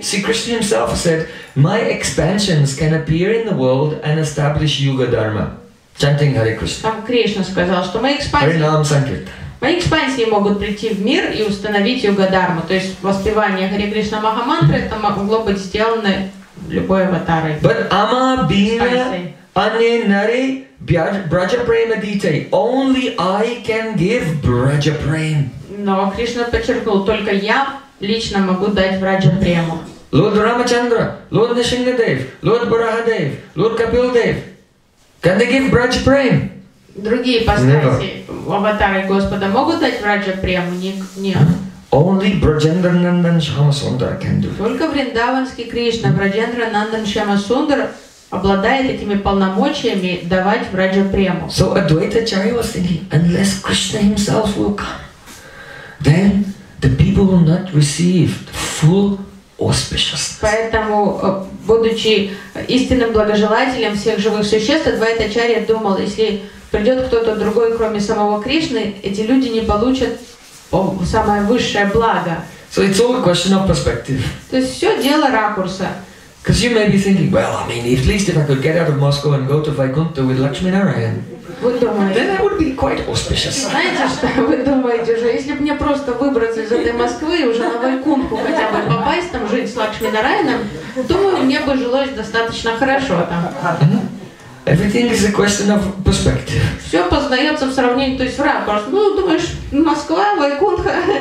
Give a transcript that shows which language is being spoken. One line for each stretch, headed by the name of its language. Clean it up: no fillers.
English: See, Krishna himself said, my expansions can appear in the world and establish Yuga Dharma. Chanting Hare Krishna.
Russian: Там Кришна сказал, что мои экспансии... Харинам Санкирта. Мои экспансии могут прийти в мир и установить Юга-дарму. То есть воспевание Хари Кришна Махамантры, это могло быть сделано любой аватарой.
Bangla: But ama bina ane nare braja prema dite.
English: Only I can give braja prema.
Russian: Но Кришна подчеркнул, только я лично могу дать браджа прему. Лорд Рамачандра, лорд Нишингадев, лорд Барахадев, лорд Капилдев.
English: Can they give braja prema?
Russian: Другие постаси аватары Господа могут дать Враджа Прему? Нет.
English: Only Браджендра Нандан Шама Сундар can do.
Russian: Только Вриндаванский Кришна, Браджендра Нандан Шама Сундар, обладает этими полномочиями давать Враджа Прему.
English: So Advaita Чари was thinking, unless Krishna himself will come, then the people will not receive full auspiciousness.
Russian: Поэтому, будучи истинным благожелателем всех живых существ, Advaita Чари думал, если придет кто-то другой, кроме самого Кришны, эти люди не получат самое высшее благо.
English: So it's all a question of perspective.
Russian: То есть все дело ракурса.
English: Because you may be thinking, well, I mean, at least if I could get out of Moscow and go to Vaikuntha with Lakshmi Narayan, then that would be quite auspicious.
Russian: Знаете, что вы думаете уже, если бы мне просто выбраться из этой Москвы и уже на Вайкунху хотя бы попасть там жить с Лакшми Нараяном, думаю, мне бы жилось достаточно хорошо там.
English: Everything is a question of perspective.
Russian: Все познается в сравнении, то есть в ракурс. Ну, думаешь, Москва, Вайкунха.